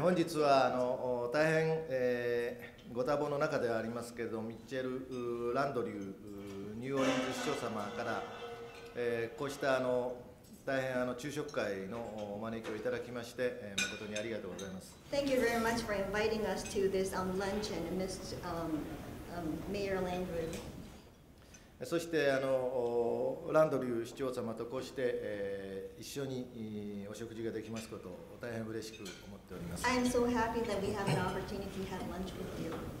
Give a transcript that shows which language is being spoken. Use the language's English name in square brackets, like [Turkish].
[Japanese] 本日は大変ご多忙の中ではありますけれども、ミッチェル・ランドリューニューオリンズ市長様から、こうした大変昼食会のお招きをいただきまして、誠にありがとうございます。 [English] Thank you very much for inviting us to this luncheon, Mr. Mayor Landrieu. [Japanese] そして、ランドリュー市長様とこうして、一緒にお食事ができますことを大変嬉しく思っております。 [English] I am so happy that we have an opportunity to have lunch with you.